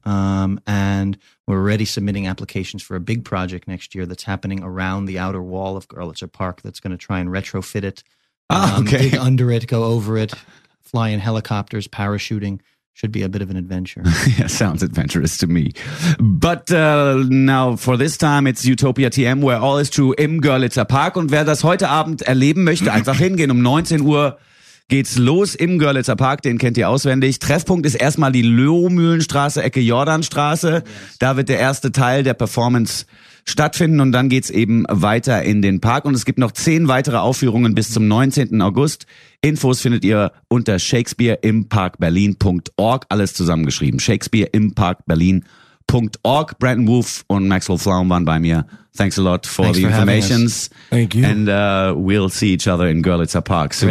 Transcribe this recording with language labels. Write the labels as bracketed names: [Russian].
[English] And we're already submitting applications for a big project next year that's happening around the outer wall of Görlitzer Park that's going to try and retrofit it. Dig under it, go over it, fly in helicopters, parachuting. Should be a bit of an adventure. Yeah, sounds adventurous to me. But now for this time, it's Utopia TM, where all is true [German] im Görlitzer Park. Und wer das heute Abend erleben möchte, einfach hingehen. Um 19 Uhr geht's los im Görlitzer Park. Den kennt ihr auswendig. Treffpunkt ist erstmal die Löhmühlenstraße, Ecke Jordanstraße. Yes. Da wird der erste Teil der Performance stattfinden. Und dann geht's eben weiter in den Park. Und es gibt noch 10 weitere Aufführungen bis zum 19. August. Infos findet ihr unter shakespeareimparkberlin.org, alles zusammengeschrieben. shakespeareimparkberlin.org. Brandon Wolf und Maxwell Flaum waren bei mir. [English] Thanks a lot for the information. Thank you. And we'll see each other in Görlitzer Park soon.